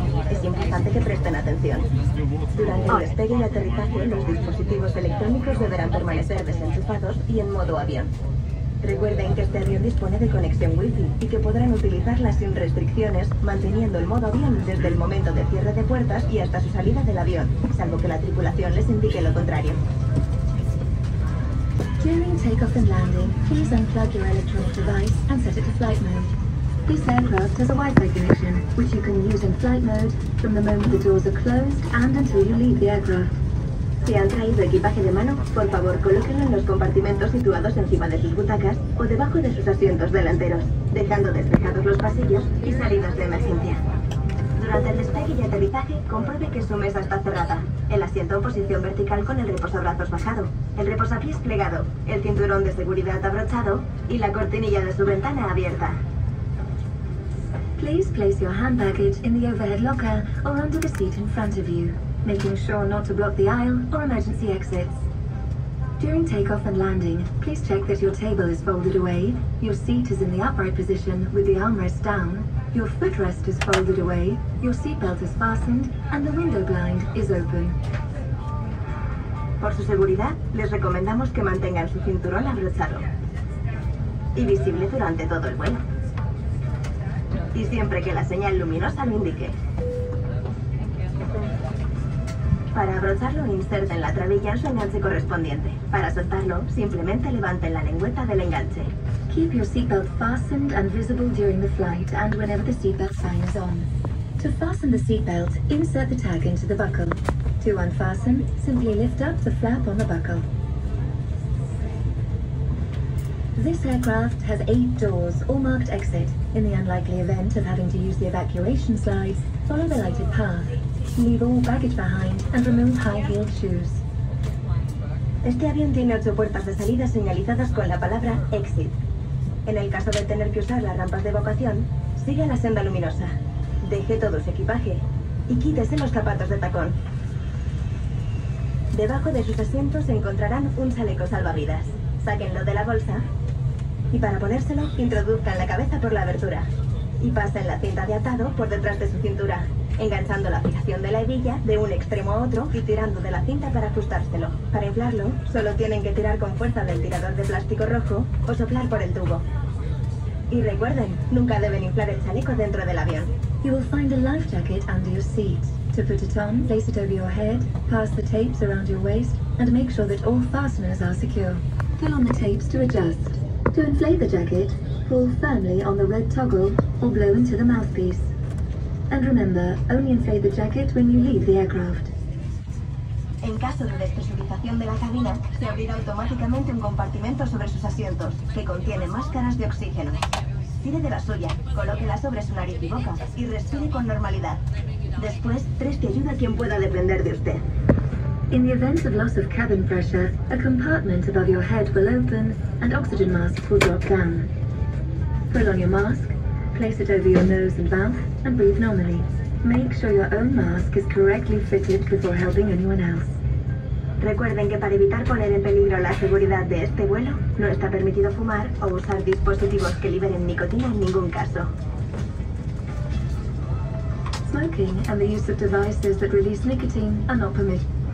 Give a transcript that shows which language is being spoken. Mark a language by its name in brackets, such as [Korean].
[Spanish] Es importante que presten atención. Durante el despegue y aterrizaje, los dispositivos electrónicos deberán permanecer desenchufados y en modo avión. Recuerden que este avión dispone de conexión Wi-Fi y que podrán utilizarla sin restricciones, manteniendo el modo avión desde el momento de cierre de puertas y hasta su salida del avión, salvo que la tripulación les indique lo contrario. [English] During takeoff and landing, please unplug your electronic device and set it to flight mode. This aircraft has a Wi-Fi connection, which you can use in flight mode from the moment the doors are closed and until you leave the aircraft. [Spanish] Si han traído equipaje de mano, por favor colóquenlo en los compartimentos situados encima de sus butacas o debajo de sus asientos delanteros, dejando despejados los pasillos y salidas de emergencia. Durante el despegue y aterrizaje, compruebe que su mesa está cerrada, el asiento en posición vertical con el reposabrazos bajado, el reposapiés plegado, el cinturón de seguridad abrochado y la cortinilla de su ventana abierta. [English] Please place your hand baggage in the overhead locker or under the seat in front of you, making sure not to block the aisle or emergency exits. During takeoff and landing, please check that your table is folded away, your seat is in the upright position with the armrest down, your footrest is folded away, your seatbelt is fastened, and the window blind is open. [Spanish] Por su seguridad, les recomendamos que mantengan su cinturón abrochado y visible durante todo el vuelo. Y siempre que la señal luminosa lo indique. Para abrocharlo, inserten la trabilla en su enganche correspondiente. Para soltarlo, simplemente levanten la lengüeta del enganche. [English] Keep your seatbelt fastened and visible during the flight and whenever the seatbelt sign is on. To fasten the seatbelt, insert the tag into the buckle. To unfasten, simply lift up the flap on the buckle. This aircraft has 8 doors, all marked exit. In the unlikely event of having to use the evacuation slides, follow the lighted path. Leave all baggage behind and remove high-heeled shoes. [Spanish] Este avión tiene 8 puertas de salida señalizadas con la palabra exit. En el caso de tener que usar las rampas de evacuación, siga la senda luminosa. Deje todo su equipaje y quítese los zapatos de tacón. Debajo de sus asientos encontrarán un chaleco salvavidas. Sáquenlo de la bolsa y para ponérselo, introduzcan la cabeza por la abertura y pasen la cinta de atado por detrás de su cintura, enganchando la fijación de la hebilla de un extremo a otro y tirando de la cinta para ajustárselo. Para inflarlo, solo tienen que tirar con fuerza del tirador de plástico rojo o soplar por el tubo. Y recuerden, nunca deben inflar el chaleco dentro del avión. [English] You will find a life jacket under your seat. To put it on, place it over your head, pass the tapes around your waist, and make sure that all fasteners are secure. Pull on the tapes to adjust. To inflate the jacket, pull firmly on the red toggle or blow into the mouthpiece. And remember, only inflate the jacket when you leave the aircraft. [Spanish] En caso de despresurización de la cabina, se abrirá automáticamente un compartimento sobre sus asientos, que contiene máscaras de oxígeno. Tire de la suya, colóquela sobre su nariz y boca, y respire con normalidad. Después, preste ayuda a quien pueda depender de usted. [English] In the event of loss of cabin pressure, a compartment above your head will open and oxygen masks will drop down. Pull on your mask, place it over your nose and mouth, and breathe normally. Make sure your own mask is correctly fitted before helping anyone else. [Spanish] Recuerden que para evitar poner en peligro la seguridad de este vuelo, no está permitido fumar o usar dispositivos que liberen nicotina en ningún caso. [English] Smoking and the use of devices that release nicotine are not permitted.